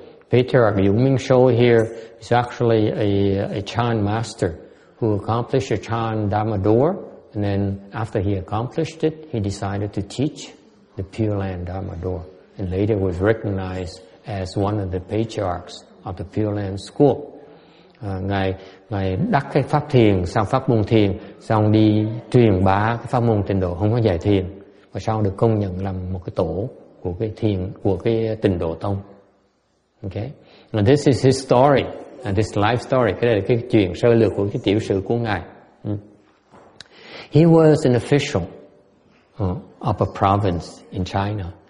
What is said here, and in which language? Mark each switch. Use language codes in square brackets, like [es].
[en] Patriarch Yong Ming Shou here is actually a Chan master who accomplished a Chan Dharma door, and then after he accomplished it, he decided to teach the Pure Land Dharma door, and later was recognized as one of the patriarchs of the Pure Land school. [vi] Ngài đắc cái pháp thiền sang pháp môn thiền, xong đi truyền bá cái pháp môn tịnh độ không có giải thiền, và sau được công nhận làm một cái tổ của cái thiền của cái tịnh độ tông. [en] Okay. Now this is his story, and this life story. [vi] Cái đây là cái chuyện sơ lược của cái tiểu sử của ngài. [en] He was an official of a province in China.